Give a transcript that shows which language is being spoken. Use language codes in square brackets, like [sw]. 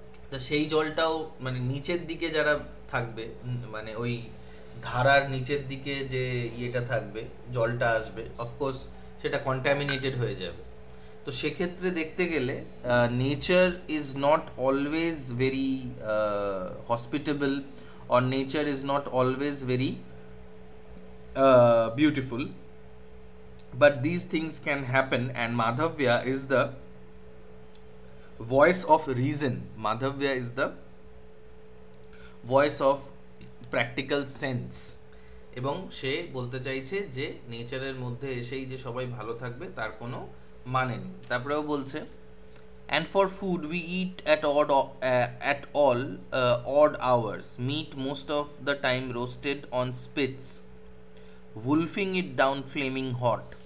[bn] তো সেই জলটাও মানে নিচের দিকে যারা থাকবে, মানে ওই ধারার নিচের দিকে যে ইয়েটা থাকবে, জলটা আসবে, অফকোর্স সেটা কন্টামিনেটেড হয়ে যাবে। তো সেক্ষেত্রে দেখতে গেলে [en] Nature is not always very hospitable, or nature is not always very beautiful, but these things can happen, and Madhavya is the voice of reason. Madhavya is the voice of practical sense. [bn] এবং সে বলতে চাইছে যে নেচারের মধ্যে এসেই যে সবাই ভালো থাকবে তার কোনো মানে নেই। তারপরেও বলছে, [en] And for food we eat at all odd hours, meat most of the time roasted on spits, wolfing it down flaming hot.